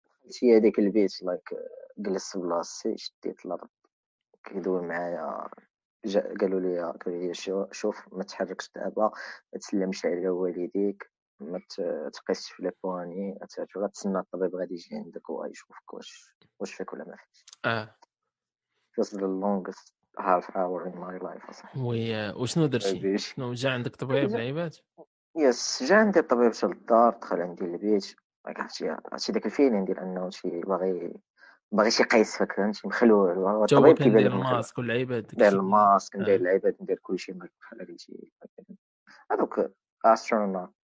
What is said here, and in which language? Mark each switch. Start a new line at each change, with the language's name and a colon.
Arabic: شي هذيك البيت لايك جلس بلاصتي شديت الارض كيدوي معايا قالوا لي شوف ما تحركش دابا ما تسلمش على والديك ما تقيسش في البواني اتاتو تسنى الطبيب غادي يجي عندك ويشوفك واش فيك ولا ما فيك.
English: This is the longest half hour in my life.
Arabic: وشنو درتي؟ شنو جا عندك طبيب لعيبات؟ يس جا عندي الطبيب في الدار، دخل عندي البيت عرفتي داك الفيلين ديال انه شي باغي شي قيس فيك فهمتي مخلوع الطبيب كيبان لك الماسك ولعيبات داير الماسك ندير لعيبات ندير كل شيء بحال هادشي هذوك استرونوت